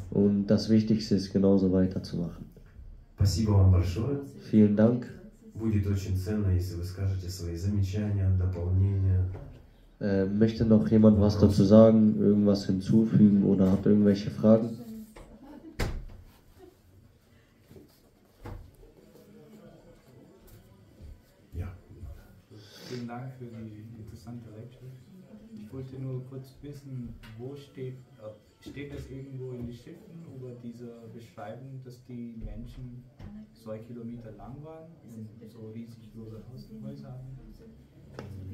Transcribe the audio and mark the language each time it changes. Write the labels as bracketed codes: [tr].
[de] Und das Wichtigste ist genauso weiterzumachen. [ru] Спасибо вам большое. [de] Vielen Dank. [ru] Будет очень ценно, если вы скажете свои замечания, дополнения. [de] Möchte noch jemand was dazu sagen, irgendwas hinzufügen oder hat irgendwelche Fragen? Ja. Vielen Dank für die interessante Lecture. Ich wollte nur kurz wissen, wo steht, steht das irgendwo in den Schriften über diese Beschreibung, dass die Menschen 2 Kilometer lang waren und so riesig große Häuser haben?